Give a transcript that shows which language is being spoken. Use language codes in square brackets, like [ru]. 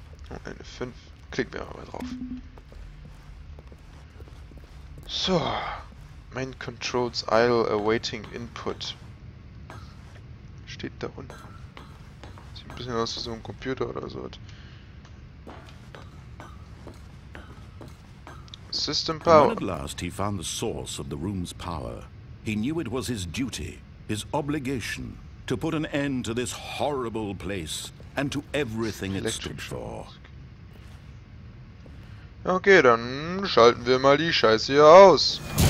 [de] Und eine 5. Klicken wir mal drauf. [en] So. Main Controls Idle Awaiting Input. [de] steht da unten? Sieht ein bisschen aus wie so ein Computer oder so. [en] System Power. When at last he found the source of the room's power, he knew it was his duty, his obligation, to put an end to this horrible place and to everything it stood for. [de] Okay, dann schalten wir mal die Scheiße hier aus.